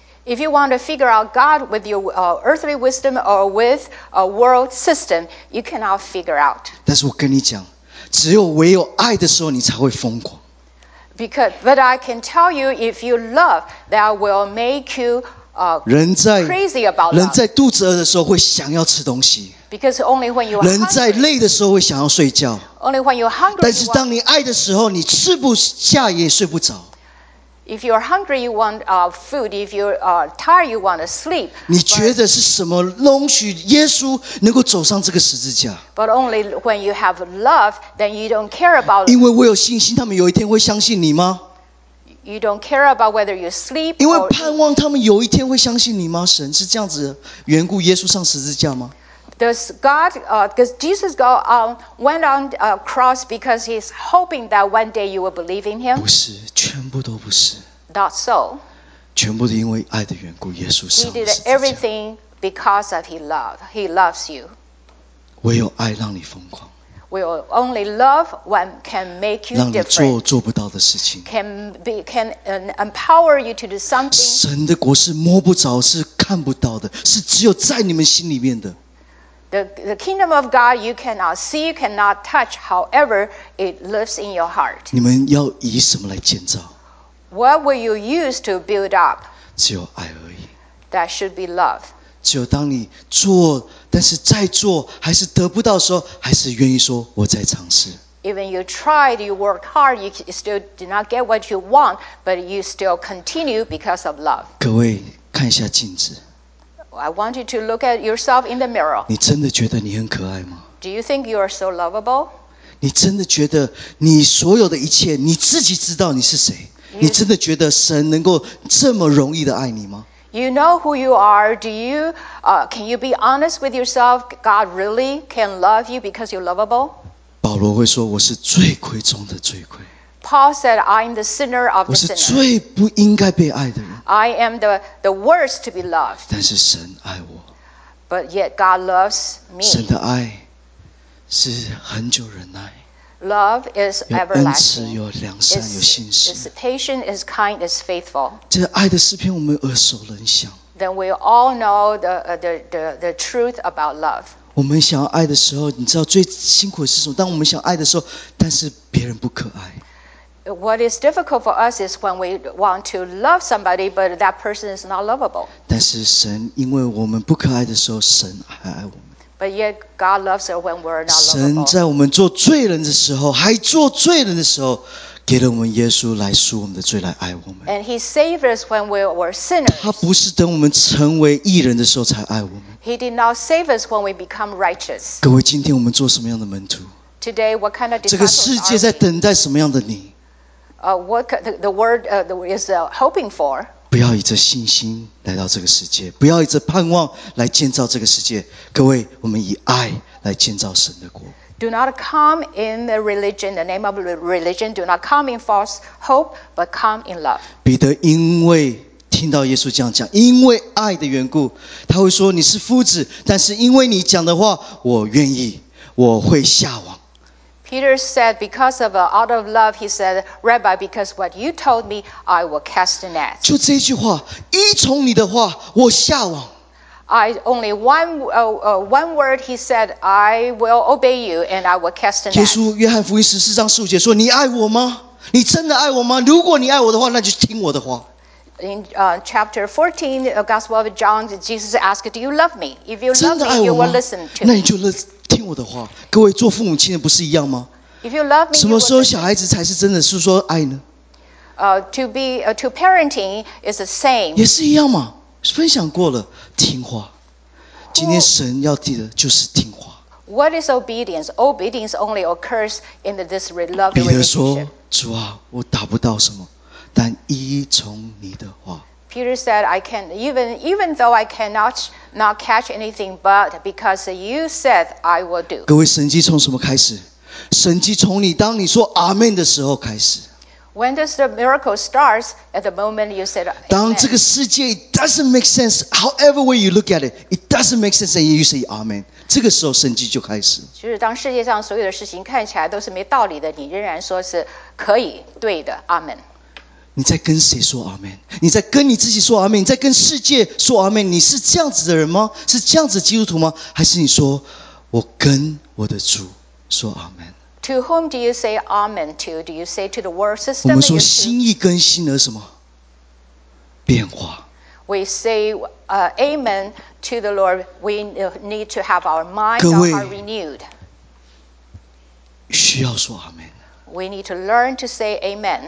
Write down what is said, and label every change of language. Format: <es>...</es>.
<en>If you want to figure out God with your earthly wisdom or with a world system, you cannot figure out.</en> <zh>但是我跟你讲，只有唯有爱的时候，你才会疯狂。</zh> <en>But I can tell you, if you love, that will make you crazy about love.</en> <zh>人在肚子饿的时候会想要吃东西。</zh> <en>Because only when you are hungry.</en> <zh>人在累的时候会想要睡觉。</zh> <en>Only when you're hungry.</en> <zh>但是当你爱的时候，你吃不下也睡不着。</zh> <en>If you're hungry, you want food. If you're tired, you want to sleep.</en> <zh>你觉得是什么容许耶稣能够走上这个十字架？</zh> <en>But only when you have love, then you don't care about.</en> <zh>因为我有信心，他们有一天会相信你吗？</zh> <en>You don't care about whether you sleep.</en> <zh>因为盼望他们有一天会相信你吗？神是这样子缘故耶稣上十字架吗？</zh> <en>Does God? Because Jesus went on a cross because he's hoping that one day you will believe in him?</en> <zh>不是。全部都不是。</zh> <en>Not so.</en> <zh>全部都因为爱的缘故，耶稣上十字架。</zh> <en>He did everything because of his love. He loves you.</en> <zh>唯有爱让你疯狂。</zh> <en>Will only love one can make you different.</en> <zh>让你做做不到的事情。</zh> <en>Can empower you to do something.</en> <zh>神的国是摸不着，是看不到的，是只有在你们心里面的。</zh> <en>The kingdom of God you cannot see, you cannot touch. However, it lives in your heart.</en> <zh>你们要以什么来建造？</zh> <en>What will you use to build up?</en> <zh>只有爱而已。</zh> <en>That should be love.</en> <zh>只有当你做，但是再做还是得不到的时候，还是愿意说我在尝试。</zh> <en>Even you tried, you worked hard, you still did not get what you want, but you still continue because of love.</en> <zh>各位看一下镜子。</zh> <en>I want you to look at yourself in the mirror.</en> <zh>你真的觉得你很可爱吗？</zh> <en>Do you think you are so lovable?</en> <zh>你真的觉得你所有的一切，你自己知道你是谁？ You, 你真的觉得神能够这么容易的爱你吗？</zh> <en>You know who you are. Do you, can you be honest with yourself? God really can love you because you're lovable?</en> <zh>保罗会说，我是罪魁中的罪魁。</zh> <en>Paul said, I'm the sinner of the sinner.</en> <zh>我是最不应该被爱的人。</zh> <en>I am the worst to be loved.</en> <zh>但是神爱我。</zh> <en>But yet God loves me.</en> <zh>神的爱是恒久忍耐。</zh> <en>Love is everlasting.</en> <zh>有恩慈，有良善，有信实。</zh> <en>It's patient, it's kind, it's faithful.</en> <zh>这爱的诗篇我们耳熟能详。</zh> <en>Then we all know the truth about love.</en> <zh>我们想要爱的时候，你知道最辛苦的是什么？当我们想爱的时候，但是别人不可爱。</zh> <en>What is difficult for us is when we want to love somebody, but that person is not lovable.</en> <zh>但是神，因为我们不可爱的时候，神还爱我们。</zh> <en>But yet God loves her when we're not lovable.</en> <zh>神在我们做罪人的时候，还做罪人的时候，给了我们耶稣来赎我们的罪，来爱我们。</zh> <en>And he saved us when we were sinners.</en> <zh>他不是等我们成为义人的时候才爱我们。</zh> <en>He did not save us when we become righteous.</en> <zh>各位，今天我们做什么样的门徒？</zh> <en>Today, what kind of disciples are we?</en> <zh>这个世界在等待什么样的你？</zh> <en>What the world is hoping for.</en> <zh>不要以这信心来到这个世界，不要以这盼望来建造这个世界。各位，我们以爱来建造神的国。</zh> <en>Do not come in the religion, the name of religion. Do not come in false hope, but come in love.</en> <zh>彼得因为听到耶稣这样讲，因为爱的缘故，他会说你是夫子，但是因为你讲的话，我愿意，我会下网。</zh> <en>Peter said, because of out of love, he said, Rabbi, because what you told me, I will cast the net.</en> <zh>就这句话，依从你的话，我下网。</zh> <en>Only one word he said, I will obey you and I will cast the net.</en> <zh>耶稣约翰福音十四章十五节说，你爱我吗？你真的爱我吗？如果你爱我的话，那就听我的话。</zh> <en>In chapter 14, the Gospel of John, Jesus asked, Do you love me? If you love me, you will listen to me.</en> <zh>那你就听我的话。各位，做父母亲的不是一样吗？</zh> <en>If you love me,</en> <zh>什么时候小孩子才是真的是说爱呢？</zh> <en>To parenting is the same.</en> <zh>也是一样嘛，分享过了，听话。今天神要的就是听话。</zh> <en>What is obedience? Obedience only occurs in this love relationship.</en> <zh>彼得说，主啊，我达不到什么。但依从你的话。</zh> <en>Peter said, I can, even though I cannot not catch anything, but because you said, I will do.</en> <zh>各位，神迹从什么开始？神迹从你当你说阿们的时候开始。</zh> <en>When does the miracle start? At the moment you said, Amen.</en> <zh>当这个世界</zh> <en>doesn't make sense, however way you look at it, it doesn't make sense, and you say, Amen.</en> <zh>这个时候神迹就开始。就是当世界上所有的事情看起来都是没道理的，你仍然说是可以，对的， Amen. 你在跟谁说阿们？你在跟你自己说阿们？你在跟世界说阿们？你是这样子的人吗？是这样子基督徒吗？还是你说我跟我的主说阿们</zh> <en>？To whom do you say amen to? Do you say to the world system?</en> <zh>我们说心意更新了什么变化</zh> <en>？We say amen to the Lord. We need to have our minds are renewed.</en> <zh>需要说阿们。</zh> <en>We need to learn to say amen.</en>